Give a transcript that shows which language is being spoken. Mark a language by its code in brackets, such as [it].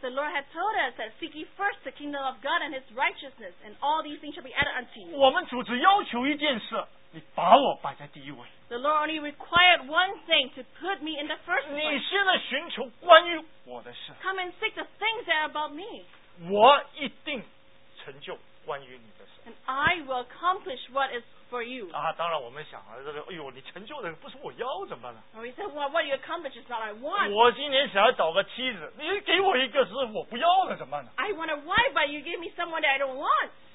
[en] the Lord had told us that seek ye first the kingdom of God and His righteousness, and all these things shall be added unto you. [zh] 我们主只要求一件事，你把我摆在第一位。The [en] Lord only required one thing to put me in the first place. [zh] 你现在寻求关于我的事。Come [en] and seek the things that are about me. [zh] 我一定成就关于你的事。 [en] And I will accomplish what is for you. [zh] 当然我们想，哎呦，你成就的不是我要，怎么办呢？ [en] We say, well, what you accomplish is not I want. [zh] 我今年想要找个妻子，你给我一个是我不要的，怎么办呢？ [en] I want a wife, but you give me someone that I don't want.